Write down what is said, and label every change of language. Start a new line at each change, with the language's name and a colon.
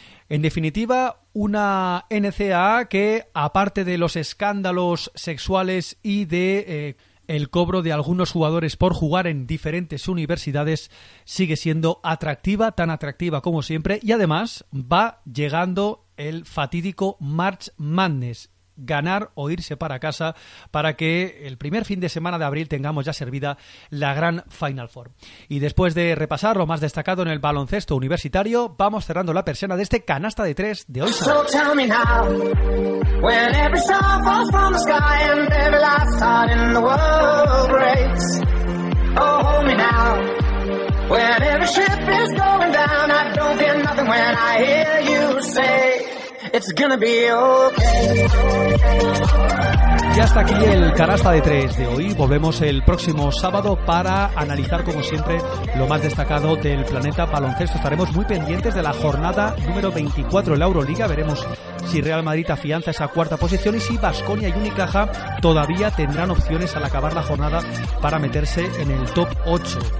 Spanish: En definitiva, una NCAA que, aparte de los escándalos sexuales y de el cobro de algunos jugadores por jugar en diferentes universidades, sigue siendo atractiva, tan atractiva como siempre, y además va llegando el fatídico March Madness, ganar o irse para casa, para que el primer fin de semana de abril tengamos ya servida la gran Final Four. Y después de repasar lo más destacado en el baloncesto universitario, vamos cerrando la persiana de este canasta de tres de hoy.
English: So tell me now, when every star falls from the sky and every last star in the world breaks. Oh, hold me now, when every ship is going down, I don't feel nothing when I hear you say. It's gonna be okay.
Spanish: Y hasta aquí el canasta de tres de hoy. Volvemos el próximo sábado para analizar, como siempre, lo más destacado del planeta baloncesto. Estaremos muy pendientes de la jornada número 24 en la Euroliga. Veremos si Real Madrid afianza esa cuarta posición y si Baskonia y Unicaja todavía tendrán opciones al acabar la jornada para meterse en el top 8.